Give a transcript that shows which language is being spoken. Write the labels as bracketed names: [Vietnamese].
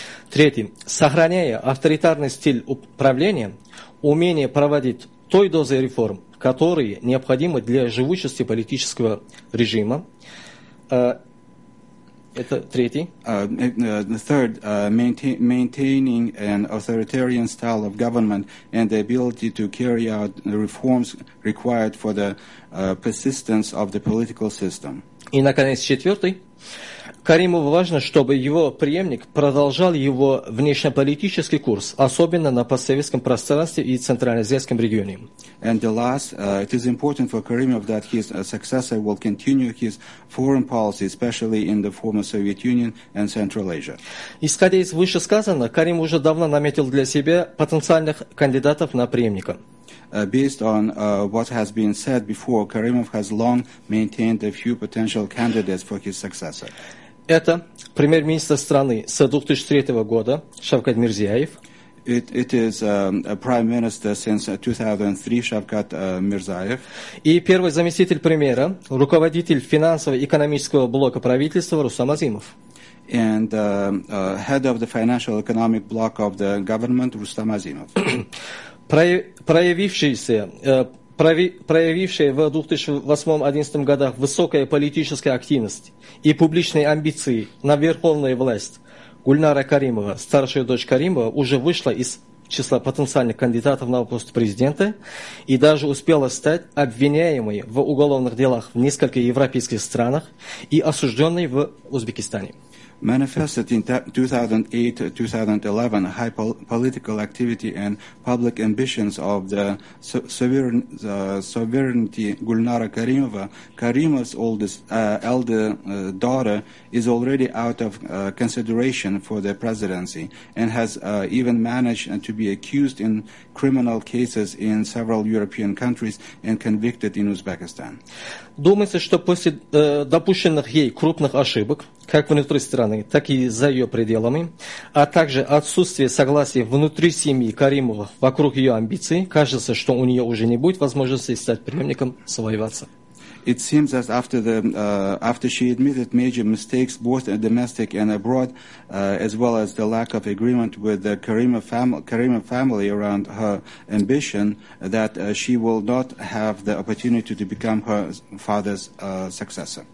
[Russian] Третий. Сохраняя авторитарный стиль управления, умение проводить той дозой реформ, которые необходимы для живучести политического режима. Это третий. [English] Third, maintaining an authoritarian style of government and the ability to carry out the reforms required for the persistence of the political system. [Russian] И, наконец, четвертый. Каримову важно, чтобы его преемник продолжал его внешнеполитический курс, особенно на постсоветском пространстве и Центральноазиатском регионе. [English] And the last, it is important for Karimov that his successor will continue his foreign policy, especially in the former Soviet Union and Central Asia. [Russian] Исходя из вышесказанного, Каримов уже давно наметил для себя потенциальных кандидатов на преемника. [English] Based on what has been said before, Karimov has long maintained a few potential candidates for his successor. [Russian] Это премьер-министр страны с 2003 года Шавкат Мирзиёев. [English] It is a prime minister since 2003, Шавкат Мирзиёев. [Russian] И первый заместитель премьера, руководитель финансово-экономического блока правительства Рустам Азимов. [English] And head of the financial economic block of the government, Рустам Азимов. [Russian] Проявившая в 2008-2011 годах высокая политическая активность и публичные амбиции на верховную власть Гульнара Каримова, старшая дочь Каримова, уже вышла из числа потенциальных кандидатов на пост президента и даже успела стать обвиняемой в уголовных делах в нескольких европейских странах и осужденной в Узбекистане. [English] Manifested in 2008-2011, high political activity and public ambitions of the sovereignty Gulnara Karimova, Karimov's elder daughter, is already out of consideration for the presidency and has even managed to be accused in criminal cases in several European countries and convicted in Uzbekistan. [Russian] Думается, что после допущенных ей крупных ошибок, как внутри страны, так и за ее пределами, а также отсутствие согласия внутри семьи Каримова вокруг ее амбиций, кажется, что у нее уже не будет возможности стать преемником своего отца. [English] It seems that after the after she admitted major mistakes both domestic and abroad, as well as the lack of agreement with the Karimov family around her ambition, that she will not have the opportunity to become her father's successor.